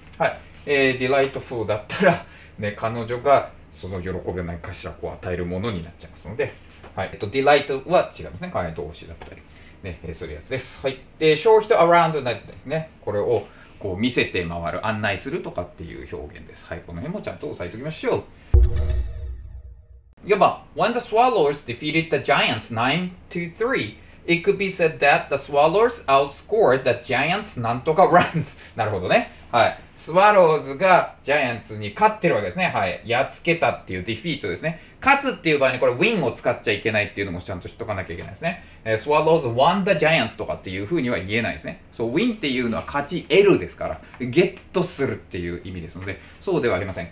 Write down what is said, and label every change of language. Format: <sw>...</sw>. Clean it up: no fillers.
<ja>はい、delightful だったら、ね、彼女がその喜びを何かしらこう与えるものになっちゃいますので、はい、delight は違いますね。彼女動詞だったり、ね、するやつです。はい、で、show人 around ですね。これをこう見せて回る、案内するとかっていう表現です。はい、この辺もちゃんと押さえておきましょう。 4番、</ja> <en>When the swallows defeated the giants 9-3. It could be said that the swallows outscored the giants</en> <ja>なんとか</ja> <en>runs.</en> <ja>なるほどね。はい。スワローズがジャイアンツに勝ってるわけですね。はい。やっつけたっていうディフィートですね。勝つっていう場合にこれ win を使っちゃいけないっていうのもちゃんと知っとかなきゃいけないですね。スワローズ</ja> <en>won the giants</en> <ja>とかっていうふうには言えないですね。そう、win っていうのは勝ち得るですから、ゲットするっていう意味ですので、そうではありません。</ja>